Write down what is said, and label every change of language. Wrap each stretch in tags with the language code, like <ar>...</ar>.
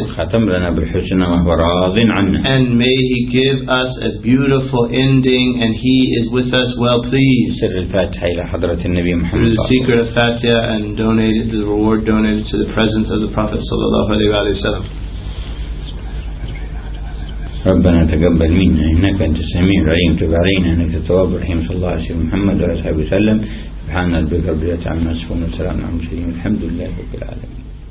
<ar>وختم لنا بالحسنى وهو راض عنا.</ar> <en>And may He give us a beautiful ending and He is with us well pleased.</en> <ar>سر الفاتحة إلى حضرة النبي محمد.</ar> <en>Through the secret of Fatiha and donated the reward donated to the presence of the Prophet صلى الله عليه وسلم.</en> <ar>ربنا تقبل منا إنك أنت السميع العليم, تب علينا إنك التواب الرحيم, صلى الله عليه محمد وعلى آله وسلم. سبحان ربك رب العزة عما يصفون, والسلام على المرسلين, والحمد لله رب العالمين.</ar>